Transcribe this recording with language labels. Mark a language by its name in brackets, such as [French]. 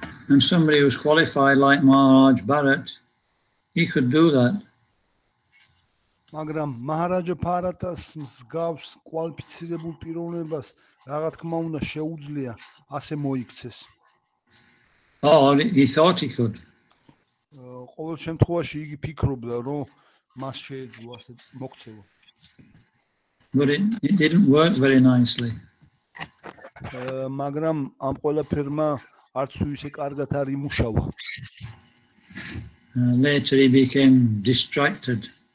[English] And somebody who's qualified like Maharaj Bharat, he could do that. [Georgian] მაგრამ Maharaja Bharatas მსგავს კვალიფიცირებულ პიროვნებას, რაღა თქმა უნდა, შეუძლია ასე მოიქცეს. [English] He thought he could. [Georgian] ყოველ შემთხვევაში იგი ფიქრობდა, რომ მას შეეძლო ასე მოქცევა. [English] But it didn't work very nicely. [Georgian] მაგრამ ამ ყველაფერმა არც თუ ისე კარგად არ იმუშავა. [English] Later he became distracted.